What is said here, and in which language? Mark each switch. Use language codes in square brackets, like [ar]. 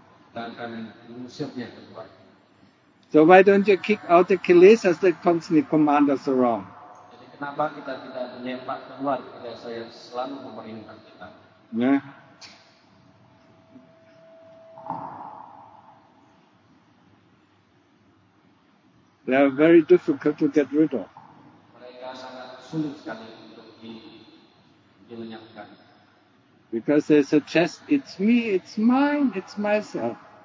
[id] Dan akan mengusirnya keluar. [en] So why don't you kick out the Kilesas that constantly command us around? [id] Jadi kenapa kita tidak menyempat keluar Kilesa yang selalu memerintah kita? [en] Yeah. They are very difficult to get rid of. [id] Mereka sangat sulit sekali untuk dilenyapkan. [en] Because they suggest, it's me, it's mine, it's myself.